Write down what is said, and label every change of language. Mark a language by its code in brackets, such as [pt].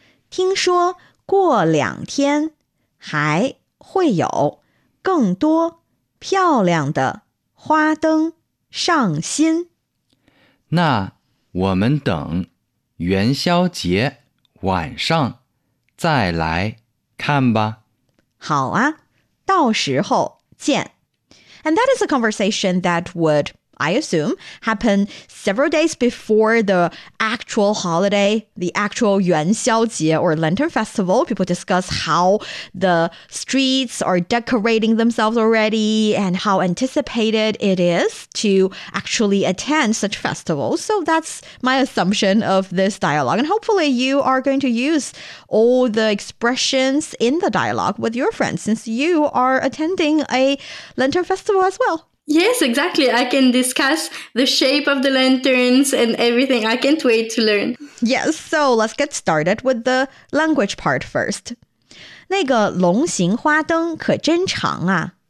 [zh] 听说过两天 还会有更多漂亮的花灯上新。那我们等元宵节晚上再来看吧。好啊，到时候见。 [en] And that is a conversation that would, I assume, happen several days before the actual holiday, the actual 元宵节 or Lantern Festival. People discuss how the streets are decorating themselves already and how anticipated it is to actually attend such festivals. So that's my assumption of this dialogue. And hopefully you are going to use all the expressions in the dialogue with your friends since you are attending a Lantern Festival as well. Yes, exactly. I can discuss the shape of the lanterns and everything. I can't wait to learn. Yes, so let's get started with the language part first. [zh] 那个龙形花灯可真长啊。